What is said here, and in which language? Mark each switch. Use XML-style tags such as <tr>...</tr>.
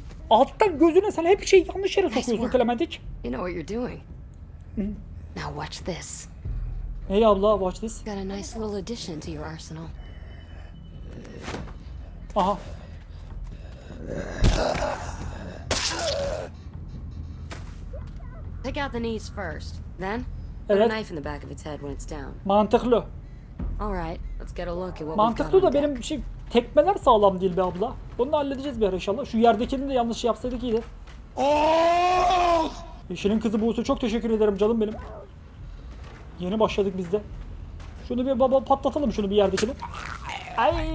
<tr>Alttan gözüne sen hep şeyi yanlış yere sokuyorsun Clementic.</tr> <en>You know what you're doing. Now watch this.</en> <tr>Hey abla,</tr> <en>watch this. Got a nice little addition to your arsenal. Aha. Take out the knees first. Then, put</en> <tr>evet.</tr> <en>A knife in the back of its head when it's down.</en> <tr>Mantıklı.</tr> <en>All right, let's get a look at what we've got.</en> <tr>Mantıklı da benim şey tekmeler sağlam değil be abla. Bunu halledeceğiz bir ara inşallah. Şu yerdekini de yanlış yapsaydık iyiydi. Oh! İşinin kızı Buse, çok teşekkür ederim canım benim. Yeni başladık biz de. Şunu bir baba patlatalım şunu bir yerdekini. Ay!</tr>